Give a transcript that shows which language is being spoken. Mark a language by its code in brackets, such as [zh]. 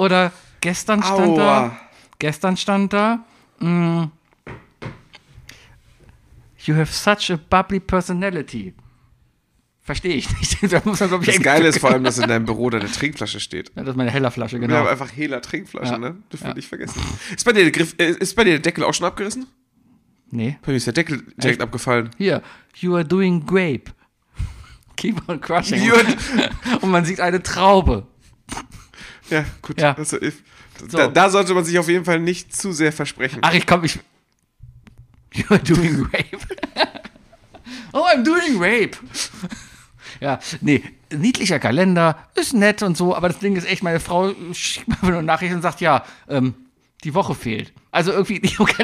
[de] Oder gestern stand Aua. Da, gestern stand da, [en] you have such a bubbly personality. [de] Verstehe ich nicht. Da muss man, glaub ich, das Geile ist vor allem, dass in deinem Büro deine Trinkflasche steht. Ja, das ist meine heller Flasche, genau. Wir haben einfach heller Trinkflasche, ja. ne? Das will ich vergessen. Ist bei dir der Deckel auch schon abgerissen? Nee. Bei mir ist der Deckel direkt abgefallen. [en] Hier, you are doing grape. Keep on crushing. [de] Und man sieht eine Traube. Ja, gut. Ja. Also, da sollte man sich auf jeden Fall nicht zu sehr versprechen. [en] Ach, you are doing grape. Oh, I'm doing grape. [de] Ja, nee, niedlicher Kalender, ist nett und so, aber das Ding ist echt, meine Frau schickt mir eine Nachricht und sagt, ja, die Woche fehlt. Also irgendwie, nicht okay,